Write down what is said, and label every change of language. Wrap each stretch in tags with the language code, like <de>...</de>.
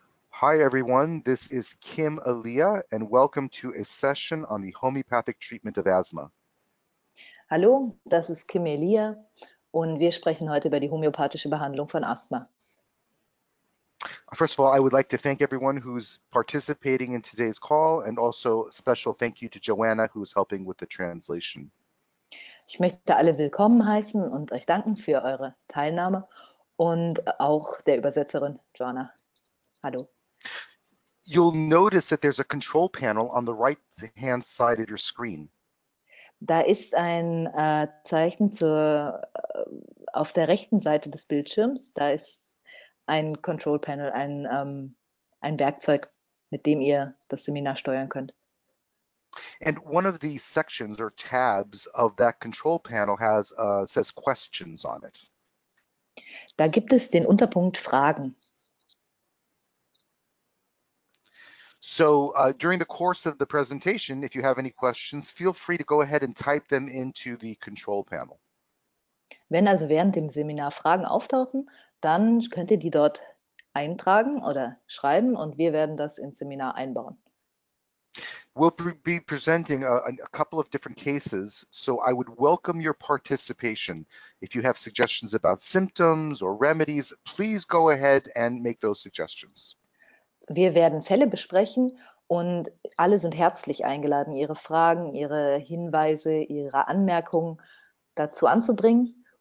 <en>Hi everyone, this is Kim Elia, and welcome to a session on the homeopathic treatment of asthma.</en> <de>Hallo, das ist Kim Elia und wir sprechen heute über die homöopathische Behandlung von Asthma.</de> <en>First of all, I would like to thank everyone who's participating in today's call and also special thank you to Joanna, who's helping with the translation.</en> <de>Ich möchte alle willkommen heißen und euch danken für eure Teilnahme und auch der Übersetzerin Joanna. Hallo.</de> <en>You'll notice that there's a control panel on the right hand side of your screen.</en> <de>Da ist ein Zeichen zur auf der rechten Seite des Bildschirms, da ist ein Control Panel, ein Werkzeug, mit dem ihr das Seminar steuern könnt.</de> <en>And one of the sections or tabs of that control panel has says questions on it.</en> <de>Da gibt es den Unterpunkt Fragen.</de> <en>So during the course of the presentation, if you have any questions, feel free to go ahead and type them into the control panel.</en> <de>Wenn also während dem Seminar Fragen auftauchen, dann könnt ihr die dort eintragen oder schreiben und wir werden das ins Seminar einbauen.</de> <en>We'll be presenting a couple of different cases, so I would welcome your participation. If you have suggestions about symptoms or remedies, please go ahead and make those suggestions.</en> <de>Wir werden Fälle besprechen und alle sind herzlich eingeladen, ihre Fragen, ihre Hinweise, ihre Anmerkungen dazu anzubringen.</de>